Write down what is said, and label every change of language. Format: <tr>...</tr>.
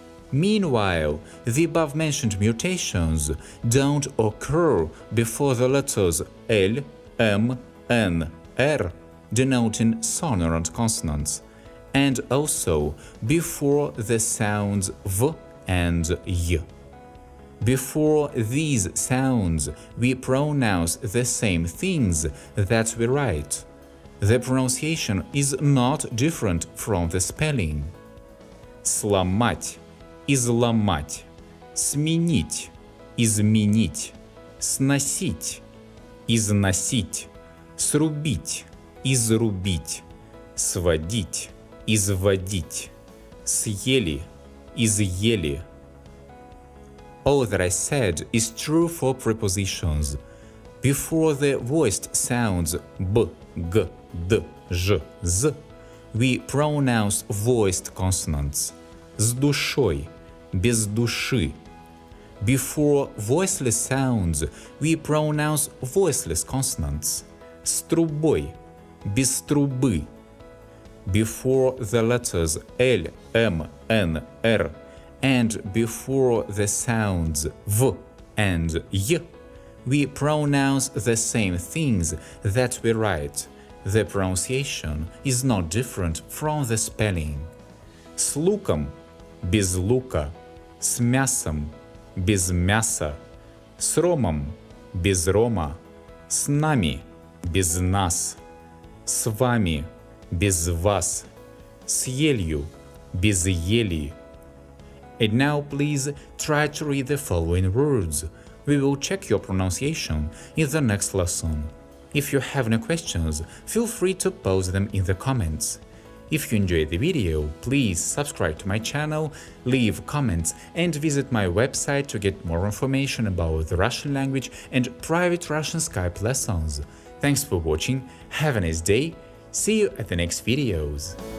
<en>Meanwhile, the above-mentioned mutations don't occur before the letters L, M, N, R, denoting sonorant consonants, and also before the sounds V and Y. Before these sounds, we pronounce the same things that we write. The pronunciation is not different from the spelling.</en> <ru>Сломать, изломать, сменить, изменить, сносить, износить, срубить, изрубить, сводить, изводить, съели, изъели.</ru> <en>All that I said is true for prepositions. Before the voiced sounds B, G, D, Ж, З, we pronounce voiced consonants.</en> <ru>С душой, без души.</ru> <en>Before voiceless sounds, we pronounce voiceless consonants.</en> <ru>С трубой, без трубы.</ru> <en>Before the letters L, M, N, R, and before the sounds V and Y, we pronounce the same things that we write. The pronunciation is not different from the spelling.</en> <ru>С луком – без лука, с мясом – без мяса, с ромом – без рома, с нами – без нас, с вами – без вас, с елью – без ели.</ru> <en>And now please try to read the following words. We will check your pronunciation in the next lesson. If you have any questions, feel free to post them in the comments. If you enjoyed the video, please subscribe to my channel, leave comments, and visit my website to get more information about the Russian language and private Russian Skype lessons. Thanks for watching, have a nice day, see you at the next videos!</en>